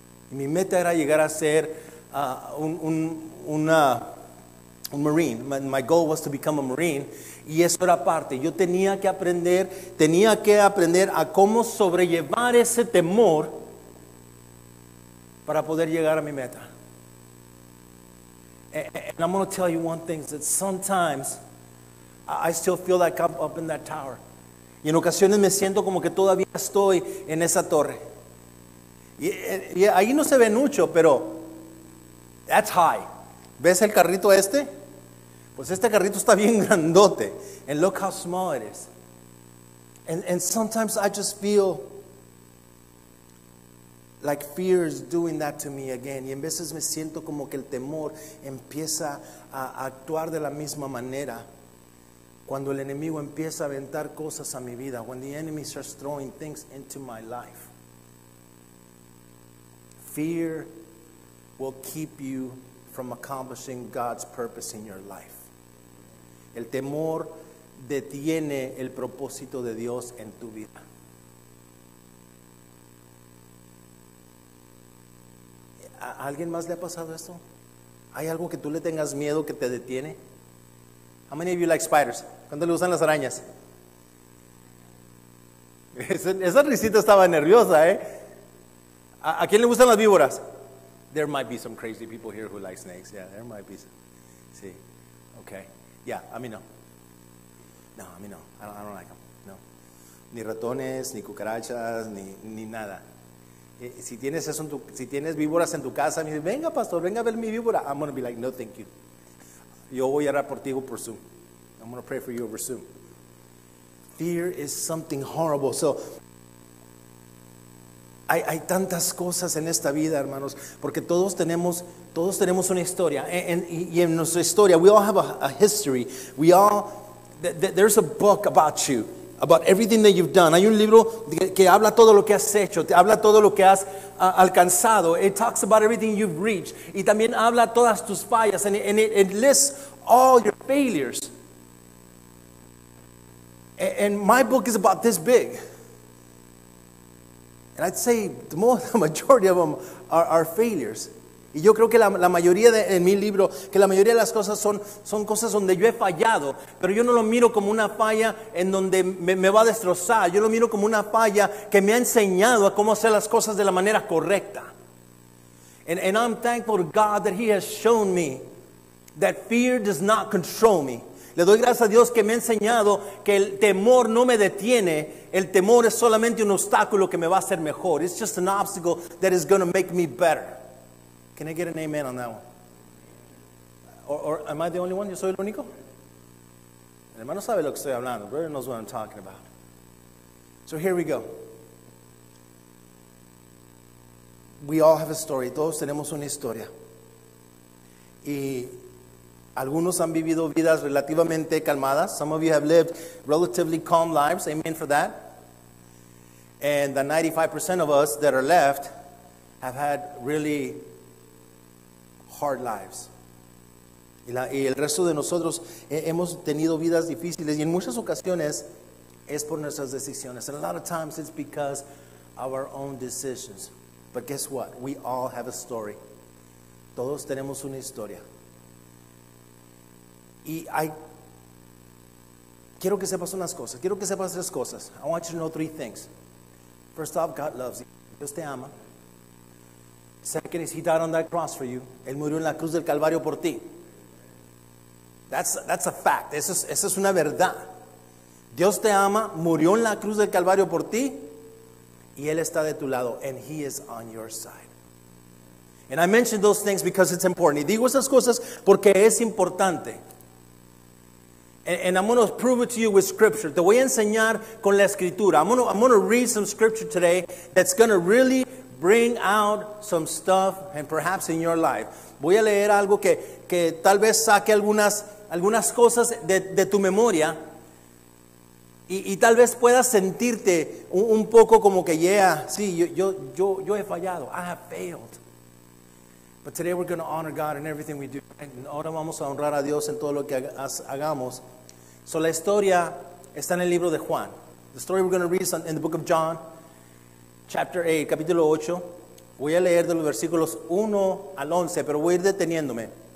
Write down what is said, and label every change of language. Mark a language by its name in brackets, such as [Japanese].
[Spanish] Y mi meta era llegar a ser un Marine. [English] My goal was to become a Marine. [Spanish] Y eso era parte. Yo tenía que aprender a cómo sobrellevar ese temor para poder llegar a mi meta. [English] And I'm going to tell you one thing, that sometimes I still feel like I'm up in that tower. [Spanish] Y en ocasiones me siento como que todavía estoy en esa torre. Y ahí no se ve mucho, pero [English] that's high. [Spanish] ¿Ves el carrito este? Pues este carrito está bien grandote. [English] And look how small it is. And sometimes I just feel like fear is doing that to me again. [Spanish] Y en veces me siento como que el temor empieza a actuar de la misma manera. Cuando el enemigo empieza a aventar cosas a mi vida. [English] When the enemy starts throwing things into my life. Fear will keep you from accomplishing God's purpose in your life. [Spanish] El temor detiene el propósito de Dios en tu vida. ¿A alguien más le ha pasado esto? ¿Hay algo que tú le tengas miedo que te detiene? [English] How many of you like spiders? [Spanish] ¿Cuándo le gustan las arañas? Esa risita estaba nerviosa, ¿eh? ¿A quién le gustan las víboras? [English] There might be some crazy people here who like snakes. Yeah, there might be some. Sí. Okay. Yeah, [Spanish] a mí no. No, a mí no. [English] I don't like them. No. [Spanish] Ni ratones, ni cucarachas, ni nada. Si tienes eso en tu, si tienes víboras en tu casa, me dice, venga, pastor, venga a ver mi víbora. [English] I'm going to be like, no, thank you. [Spanish] Yo voy a orar por ti por Zoom. [English] I'm going to pray for you over Zoom. Fear is something horrible. [Spanish] So, hay tantas cosas en esta vida, hermanos, porque todos tenemos una historia. Y en nuestra historia, [English] we all have a history. We all, there's a book about you, about everything that you've done. [Spanish] Hay un libro que habla todo lo que has hecho, habla todo lo que has alcanzado. [English] It talks about everything you've reached. [Spanish] Y también habla todas tus fallas, [English] and it lists all your failures. And my book is about this big. And I'd say the majority of them are failures. [Spanish] Y yo creo que la mayoría de en mi libro, que la mayoría de las cosas son cosas donde yo he fallado, pero yo no lo miro como una falla en donde me va a destrozar. Yo lo miro como una falla que me ha enseñado a cómo hacer las cosas de la manera correcta. [English] And I'm thankful to God that he has shown me that fear does not control me. [Spanish] Le doy gracias a Dios que me ha enseñado que el temor no me detiene. El temor es solamente un obstáculo que me va a hacer mejor. [English] It's just an obstacle that is going to make me better. Can I get an amen on that one? Or am I the only one? [Spanish] ¿Yo soy el único? El hermano sabe lo que estoy hablando. [English] Brother knows what I'm talking about. So here we go. We all have a story. [Spanish] Todos tenemos una historia. Y algunos han vivido vidas relativamente calmadas. [English] Some of you have lived relatively calm lives. Amen for that. And the 95% of us that are left have had really hard lives. [Spanish] Y el resto de nosotros hemos tenido vidas difíciles. Y en muchas ocasiones es por nuestras decisiones. [English] And a lot of times it's because of our own decisions. But guess what? We all have a story. [Spanish] Todos tenemos una historia. Y quiero que sepas unas cosas. Quiero que sepas tres cosas. [English] I want you to know three things. First off, God loves you. [Spanish] Dios te ama. [English] Second is, he died on that cross for you. [Spanish] Él murió en la cruz del Calvario por ti. [English] That's a fact. [Spanish] Esa es una verdad. Dios te ama, murió en la cruz del Calvario por ti, y Él está de tu lado. [English] And he is on your side. And I mention those things because it's important. [Spanish] Y digo esas cosas porque es importante. [English] And I'm going to prove it to you with scripture. [Spanish] Te voy a enseñar con la escritura. [English] I'm going to read some scripture today that's going to really bring out some stuff and perhaps in your life. [Spanish] Voy a leer algo que tal vez saque algunas cosas de tu memoria. Y tal vez puedas sentirte un poco como que, yeah, sí, yo he fallado. [English] I have failed. But today we're going to honor God in everything we do. [Spanish] Ahora vamos a honrar a Dios en todo lo que hagamos. So la historia está en el libro de Juan. [English] The story we're going to read is in the book of John, chapter 8, [Spanish] capítulo 8. Voy a leer de los versículos 1 al 11, pero voy a ir deteniéndome.